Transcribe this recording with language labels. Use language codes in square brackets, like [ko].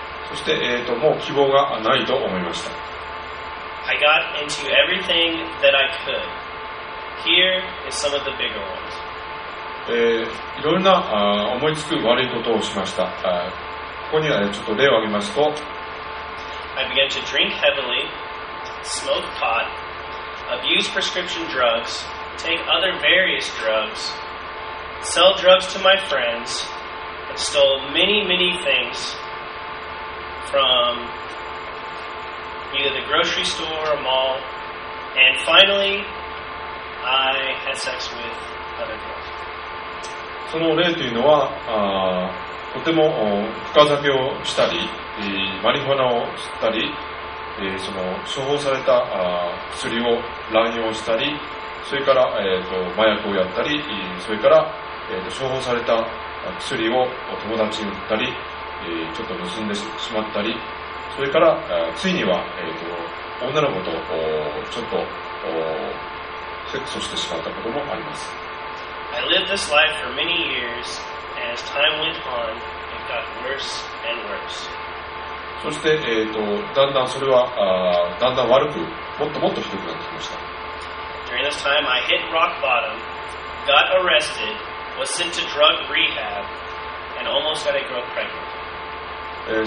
[ja] そして、もう希望がないと思いました。 [en] I got into everything that I could. Here is some of the bigger ones. [ja] いろんな思いつく悪いことをしました。ここにはちょっと例を挙げますと、 [en] I began to drink heavily, smoke pot, abuse prescription drugs, take other various drugs, sell drugs to my friends, and stole many, many things from either the grocery store or mall, and finally, I had sex with other girls. [ja] その例というのは、とても深酒をしたり、マリファナを吸ったり、その処方された薬を乱用したり、それから麻薬をやったり、それから処方された薬を友達に売ったり、ちょっと盗んでしまったり、それからついには女の子とちょっとセックスしてしまったこともあります。 [en] I lived this life for many years. As time went on, it got worse and worse. [ja] そして、だんだんそれはだんだん悪く、もっともっとひどくなってきました。 [en] During this time, I hit rock bottom, got arrested, was sent to drug rehab, and almost had a girl pregnant.